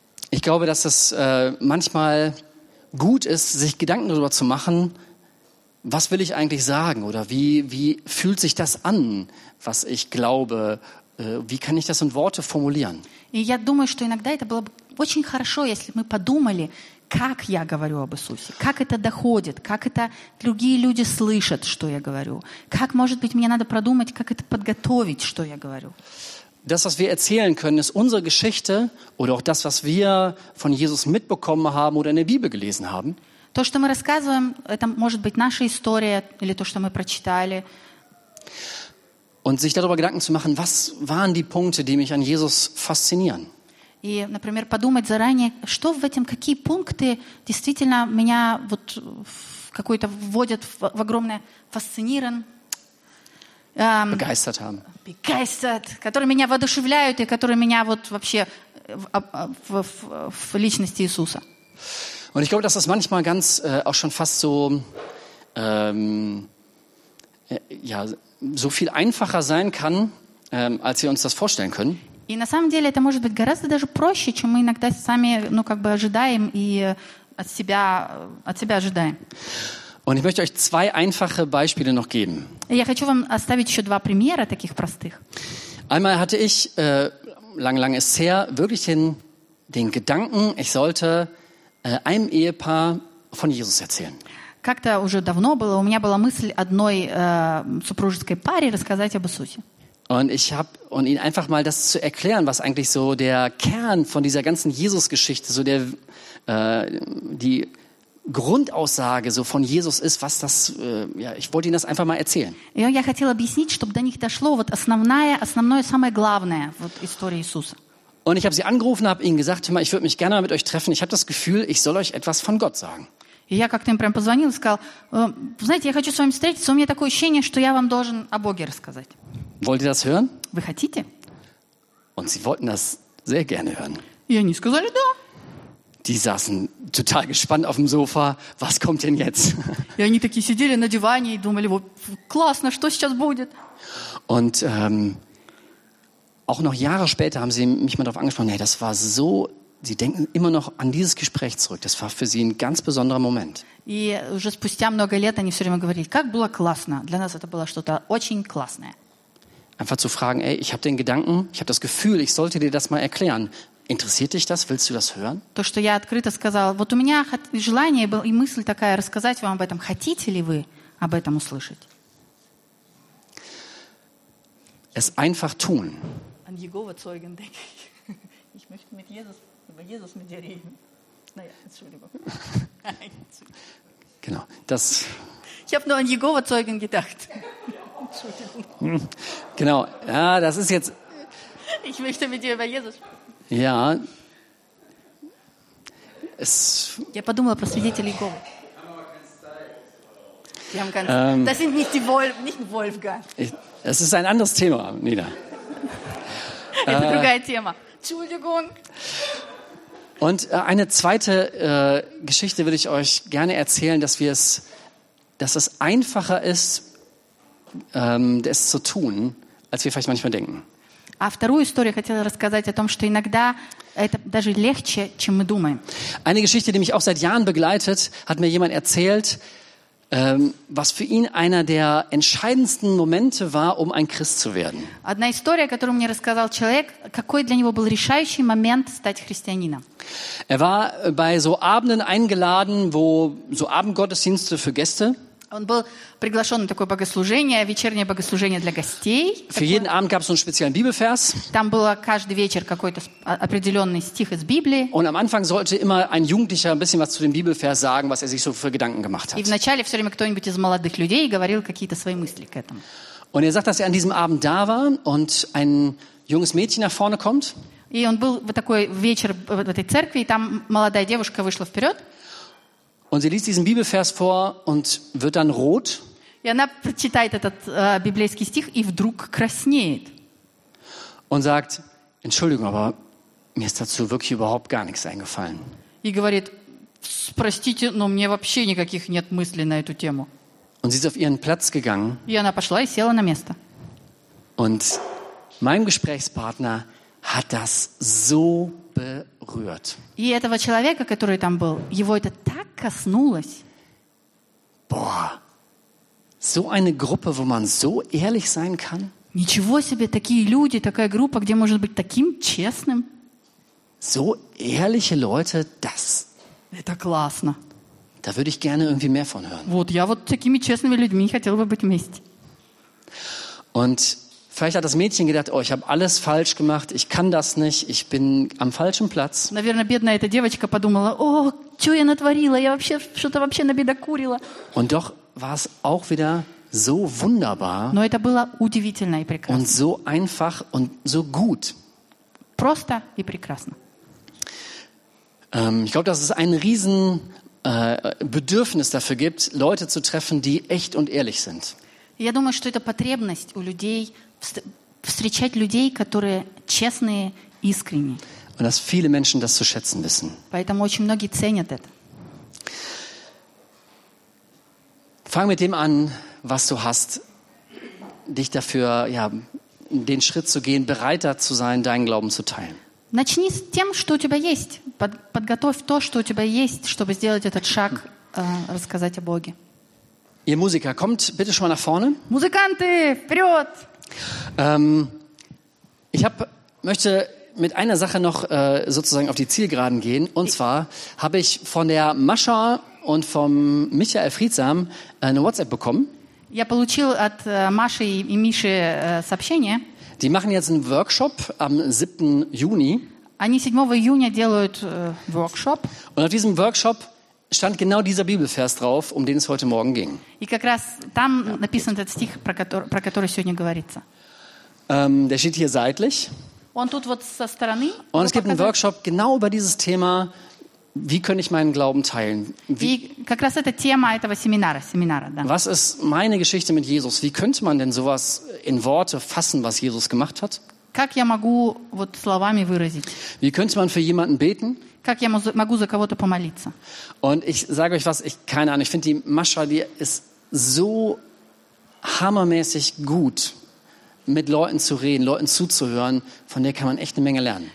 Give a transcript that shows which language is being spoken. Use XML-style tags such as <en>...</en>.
<de>Ich glaube, dass es manchmal gut ist, sich Gedanken darüber zu machen, was will ich eigentlich sagen oder wie fühlt sich das an, was ich glaube, wie kann ich das in Worte formulieren?</de> <ru>И я думаю, что иногда это было бы очень хорошо, если бы мы подумали, как я говорю об Иисусе, как это доходит, как это другие люди слышат, что я говорю, как, может быть, мне надо продумать, как это подготовить, что я говорю.</ru> <de>Das, was wir erzählen können, ist unsere Geschichte oder auch das, was wir von Jesus mitbekommen haben oder in der Bibel gelesen haben.</de> <ru>То, что мы рассказываем, это может быть наша история или то, что мы прочитали.</ru> <de>Und sich darüber Gedanken zu machen, was waren die Punkte, die mich an Jesus faszinieren?</de> <ru>И, например, подумать заранее, что в этом, какие пункты действительно меня вот какой-то вводят в огромное фасцинирован.</ru> <de>Begeistert haben. Begeistert,</de> <ru>которые меня воодушевляют и которые меня вот вообще в личности Иисуса.</ru> <de>Und ich glaube, dass das manchmal ganz auch schon fast so ja, so viel einfacher sein kann, als wir uns das vorstellen können.</de> <ru>И на самом деле это может быть гораздо даже проще, чем мы иногда сами, ну, как бы ожидаем и от себя ожидаем.</ru> <de>Und ich möchte euch zwei einfache Beispiele noch geben.</de> <ru>Я хочу вам оставить еще два примера таких простых.</ru> <de>Einmal hatte ich lange ist her wirklich den Gedanken, ich sollte einem Ehepaar von Jesus erzählen.</de> <ru>Как-то уже давно было, у меня была мысль одной супружеской паре рассказать об Иисусе.</ru> <de>Und ich habe und ihnen einfach mal das zu erklären, was eigentlich so der Kern von dieser ganzen Jesus-Geschichte, so der die Grundaussage so von Jesus ist, was das ja, ich wollte ihnen das einfach mal erzählen. Ja,</de> <ru>я хотела объяснить, чтобы до них дошло вот основное самое главное вот история Иисуса.</ru> <de>Und ich habe sie angerufen, habe ihnen gesagt, hör mal, ich würde mich gerne mal mit euch treffen. Ich habe das Gefühl, ich soll euch etwas von Gott sagen.</de> <ru>И я как-то им прям позвонил и сказал: знаете, я хочу с вами встретиться, у меня такое ощущение, что я вам должен о Боге рассказать.</ru> <de>Wollt ihr das hören?</de> <ru>Вы хотите?</ru> <de>Und sie wollten das sehr gerne hören.</de> <ru>И они сказали: да.</ru> <de>Die saßen total gespannt auf dem Sofa. Was kommt denn jetzt?</de> <ru>И они такие сидели на диване и думали: вот классно, что сейчас будет?</ru> <de>Und auch noch Jahre später haben sie mich mal darauf angesprochen: hey, das war so. Sie denken immer noch an dieses Gespräch zurück. Das war für sie ein ganz besonderer Moment.</de> <ru>И уже спустя много лет они все время говорили: как было классно. Для нас это было что-то очень классное.</ru> <de>Einfach zu fragen: ey, ich habe den Gedanken, ich habe das Gefühl, ich sollte dir das mal erklären. Interessiert dich das? Willst du das hören?</de> <ru>То, что я открыто сказал, вот у меня желание было и мысль такая рассказать вам об этом. Хотите ли вы об этом услышать?</ru> <de>Es einfach tun. An Jehova Zeugen denke ich. Ich möchte mit Jesus, über Jesus mit dir reden. Naja, Entschuldigung. Genau, das. Ich habe nur an Jehova Zeugen gedacht. Entschuldigung. Genau, ja, das ist jetzt. Ich möchte mit dir über Jesus. Ja. Es.</de> <ru>Я подумала про свидетелей Иеговы.</ru> <de>Wir haben ganz. Das sind nicht die Wolf, nicht Wolfgang. Das ist ein anderes Thema, Nina.</de> <ru>Это другое тема.</ru> <de>Entschuldigung. Und eine zweite Geschichte würde ich euch gerne erzählen, dass es einfacher ist, das zu tun, als wir vielleicht manchmal denken.</de> <ru>А вторую историю хотела рассказать о том, что иногда это даже легче, чем мы думаем.</ru> <de>Eine Geschichte, die mich auch seit Jahren begleitet, hat mir jemand erzählt, was für ihn einer der entscheidendsten Momente war, um ein Christ zu werden.</de> <ru>Одна история, которую мне рассказал человек, какой для него был решающий момент стать христианином.</ru> <de>Er war bei so Abenden eingeladen, wo so Abendgottesdienste für Gäste.</de> <ru>Он был приглашен на такое богослужение, вечернее богослужение для гостей.</ru> <de>Für jeden Abend gab es so einen speziellen Bibelvers.</de> <ru>Там был каждый вечер какой-то определенный стих из Библии.</ru> <de>Und am Anfang sollte immer ein Jugendlicher ein bisschen was zu dem Bibelvers sagen, was er sich so für Gedanken gemacht hat.</de> <ru>И вначале все время кто-нибудь из молодых людей говорил какие-то свои мысли к этому.</ru> <de>Und er sagt, dass er an diesem Abend da war und ein junges Mädchen nach vorne kommt.</de> <ru>И он был в такой вечер в этой церкви, и там молодая девушка вышла вперед.</ru> <de>Und sie liest diesen Bibelvers vor und wird dann rot.</de> <ru>И она прочитает этот библейский стих и вдруг краснеет.</ru> <de>Und sagt: Entschuldigung, aber mir ist dazu wirklich überhaupt gar nichts eingefallen.</de> <ru>И говорит: простите, но мне вообще никаких нет мыслей на эту тему.</ru> <de>Und sie ist auf ihren Platz gegangen.</de> <ru>И она пошла и села на место.</ru> <de>Und mein Gesprächspartner hat das so berührt.</de> <ru>И этого человека, который там был, его это так коснулось.</ru> <de>Boah, so eine Gruppe, wo man so ehrlich sein kann.</de> <ru>Ничего себе, такие люди, такая группа, где можно быть таким честным.</ru> <de>So ehrliche Leute, das.</de> <ru>Это классно.</ru> <de>Da würde ich gerne irgendwie mehr von hören.</de> <ru>Вот я вот такими честными людьми хотел бы быть вместе.</ru> <de>Und vielleicht hat das Mädchen gedacht: oh, ich habe alles falsch gemacht, ich kann das nicht, ich bin am falschen Platz.</de> <ru>Наверное, бедная эта девочка подумала: о, что я натворила, я вообще что-то вообще набедокурила.</ru> <de>Und doch war es auch wieder so wunderbar.</de> <ru>Но это было удивительно и прекрасно.</ru> <de>Und so einfach und so gut.</de> <ru>Просто и прекрасно.</ru> <de>Ich glaube, dass es ein riesen Bedürfnis dafür gibt, Leute zu treffen, die echt und ehrlich sind.</de> <ru>Я думаю, что это потребность у людей встречать людей, которые честные, искренние.</ru> <de>Und dass viele Menschen das zu schätzen wissen.</de> <ru>Поэтому очень многие ценят это.</ru> <de>Fang mit dem an, was du hast, dich dafür, ja, den Schritt zu gehen, bereiter zu sein, deinen Glauben zu teilen.</de> <ru>Начни с тем, что у тебя есть. Подготовь то, что у тебя есть, чтобы сделать этот шаг, рассказать о Боге.</ru> <de>Ihr Musiker, kommt bitte schon mal nach vorne.</de> <ru>Музыканты, вперед!</ru> <de>Ich möchte mit einer Sache noch sozusagen auf die Zielgeraden gehen. Und zwar habe ich von der Mascha und vom Michael Friedsam eine WhatsApp bekommen.</de> <ru>Я получил от Маши и Миши сообщение.</ru> <de>Die machen jetzt einen Workshop am 7. Juni.</de> <ru>Они 7 июня делают Workshop.</ru> <de>Und auf diesem Workshop stand genau dieser Bibelvers drauf, um den es heute Morgen ging.</de> <ru>И как раз там написан этот стих, про который сегодня говорится.</ru> <de>Der steht hier seitlich.</de> <ru>Он тут вот со стороны.</ru> <de>Und es gibt einen Workshop genau über dieses Thema, Wie kann ich meinen Glauben teilen? Wie,</de> <ru>как раз эта тема этого семинара, да.</ru> <de>Was ist meine Geschichte mit Jesus? Wie könnte man denn sowas in Worte fassen, was Jesus gemacht hat?</de> <ru>Как я могу вот словами выразить?</ru> <de>Wie könnte man für jemanden beten?</de> <ru>Как я могу за кого-то помолиться?</ru> <de>Und ich sage euch was, ich keine Ahnung, ich finde die Mascha, die ist so hammermäßig gut. Mit Leuten zu reden, Leuten zuzuhören, von der kann man echt eine Menge lernen.</de>